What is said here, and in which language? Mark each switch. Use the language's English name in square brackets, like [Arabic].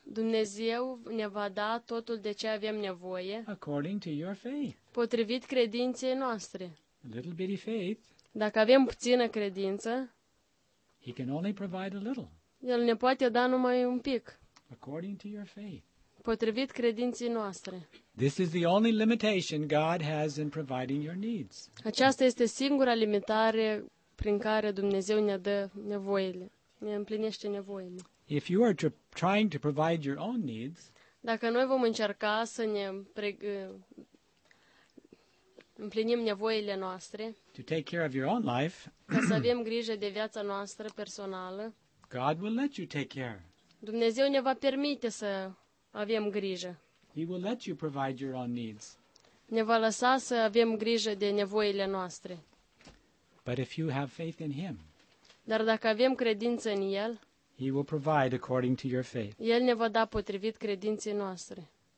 [Romanian] Dumnezeu ne va da totul de ce avem nevoie. [English] According to your faith. [Romanian] Potrivit credinței noastre. [English] A little bit of faith. [Romanian] Dacă avem puțină credință. [English] He can only provide a little. [Romanian] El ne poate da numai un pic. [English] According to your faith. [Romanian] Potrivit credinței noastre. [English] This is the only limitation God has in providing your needs. [Romanian] Aceasta este singura limitare prin care Dumnezeu ne dă nevoile, ne împlinește nevoile. [English] If you are trying to provide your own needs, [Romanian] dacă noi vom încerca să ne împlinim nevoile noastre, [English] to take care of your own life, [Romanian] ca să avem grijă de viața noastră personală, [English] God will let you take care. [Romanian] Dumnezeu ne va permite să avem grijă. [English] He will let you provide your own needs. [Romanian] Ne va lăsa să avem grijă de nevoile noastre. [English] But if you have faith in him, [Romanian] dar dacă avem credință în el, [English] he will provide according to your faith. [Romanian] El ne va da potrivit credinței noastre.